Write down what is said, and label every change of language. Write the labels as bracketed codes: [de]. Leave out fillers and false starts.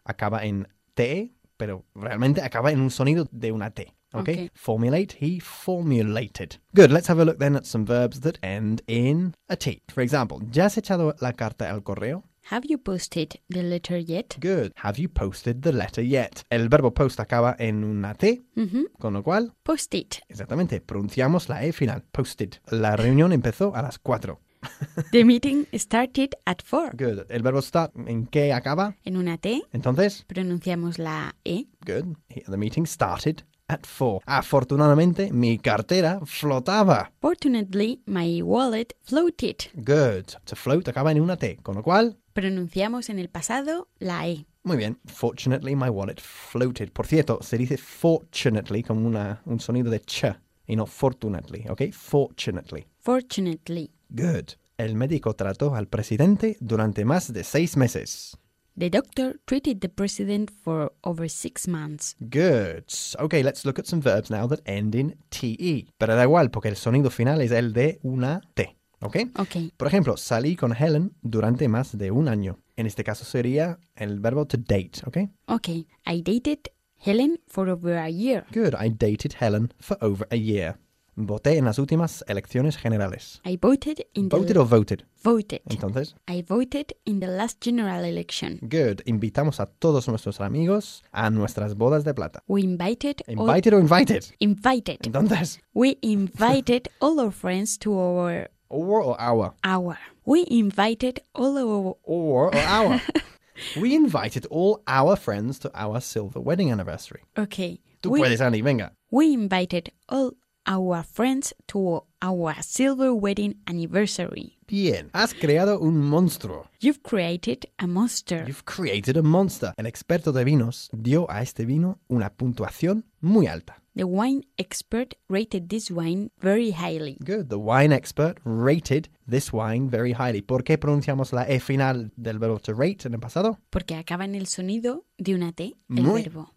[es] Acaba en T, pero realmente acaba en un sonido de una T. [en] Okay. Formulate. He formulated. Good. Let's have a look then at some verbs that end in a T. For example, [es] ¿ya has echado la carta al correo? [en] Have you posted the letter yet? Good. Have you posted the letter yet? [es] El verbo post acaba en una T, con lo cual... [en] Post it. [es] Exactamente. Pronunciamos la E final. Posted. La reunión empezó a las 4. [en] The meeting started at 4. Good. [es] ¿El verbo start en qué acaba? En una T. Entonces... Pronunciamos la E. [en] Good. The meeting started at 4. [es] Afortunadamente, mi cartera flotaba. [en] Fortunately, my wallet floated. Good. [es] To float acaba en una T. Con lo cual... Pronunciamos en el pasado la E. Muy bien. [en] Fortunately, my wallet floated. [es] Por cierto, se dice fortunately con un sonido de ch y no fortunately, ¿ok? [en] Fortunately. Fortunately. Good. [es] El médico trató al presidente durante más de 6 meses. [en] The doctor treated the president for over 6 months. Good. Okay, let's look at some verbs now that end in T-E. [es] Pero da igual, porque el sonido final es el de una T. [en] Okay? Okay. [es] Por ejemplo, salí con Helen durante más de un año. En este caso sería el verbo to date, okay? [en] Okay. I dated Helen for over a year. Good. I dated Helen for over a year. [es] Voté en las últimas elecciones generales. [en] I voted in the... ¿Voted o voted? Voted. [es] Entonces... [en] I voted in the last general election. Good. [es] Invitamos a todos nuestros amigos a nuestras bodas de plata. [en] We invited... Invited all... o invited? Invited. [es] Entonces... [en] We invited all our friends to our... Or our? Our. We invited all our... Or our. We invited all our friends to our silver wedding anniversary. Okay. [es] Tú puedes, Annie. Venga. [en] We invited all... our friends to our silver wedding anniversary. [es] Bien. Has creado un monstruo. [en] You've created a monster. You've created a monster. [es] El experto de vinos dio a este vino una puntuación muy alta. [en] The wine expert rated this wine very highly. Good. The wine expert rated this wine very highly. [es] ¿Por qué pronunciamos la E final del verbo to rate en el pasado? Porque acaba en el sonido de una T, el verbo.